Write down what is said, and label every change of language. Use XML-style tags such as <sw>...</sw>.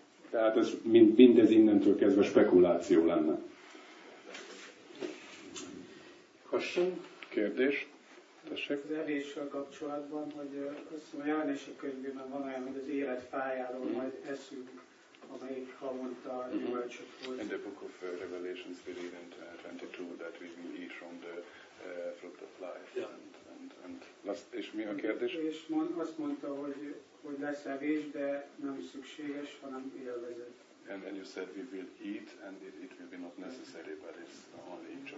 <hu>Tehát ez mindez innentől kezdve spekuláció lenne.</hu> <en>Question?</en> <hu>Kérdés? Tessék. Az evéssel kapcsolatban, hogy azt mondja, hogy a Jánosi könyvben van olyan, hogy az élet fájáról majd eszünk, amelyik havonta gyümölcsöt hoz.</hu> <en>In the book of Revelations, we read in 22 that we will eat from the fruit of life. Yeah.</en> <hu>És mi a kérdés? És azt mondta, hogy lesz evés, de nem szükséges, hanem élvezet.</hu> <en>And you said we will eat, and it will be not necessary, but it's only</en>